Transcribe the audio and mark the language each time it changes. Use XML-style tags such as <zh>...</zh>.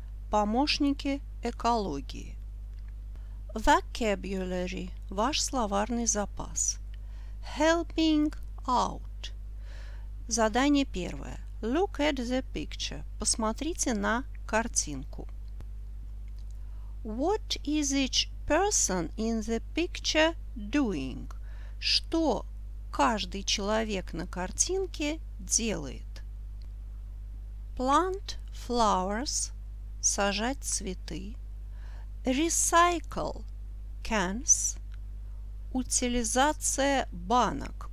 <ru>Помощники экологии. Vocabulary. Ваш словарный запас.</ru> <en>Helping out.</en> <ru>Задание первое.</ru> <en>Look at the picture.</en> <ru>Посмотрите на картинку.</ru> <en>What is each person in the picture doing?</en> <ru>Что каждый человек на картинке делает?</ru> <en>Plant flowers.</en> <ru>Сажать цветы.</ru> <en>Recycle cans.</en> <ru>Утилизация банок.</ru>